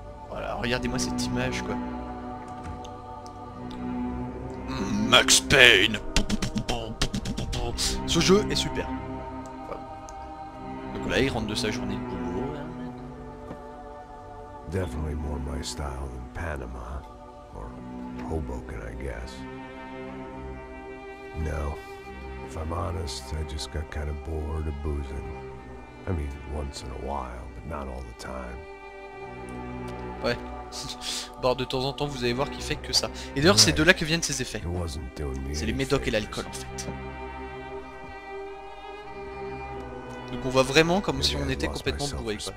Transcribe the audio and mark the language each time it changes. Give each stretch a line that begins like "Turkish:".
French: Voilà, regardez-moi cette image, quoi. Max Payne. Ce jeu est super. Donc là, il rentre de sa journée de boulot.
English: Definitely more my style than Panama or Hoboken, I guess. No. If I'm honest, I just got kind of bored of boozing. I mean, once in a while, but not all the time.
French: Ouais. Bon, de temps en temps, vous allez voir qu'il fait que ça. Et d'ailleurs, c'est de là que viennent ces effets. C'est les médocs et l'alcool, en fait. Donc on voit vraiment comme si on était complètement bourré.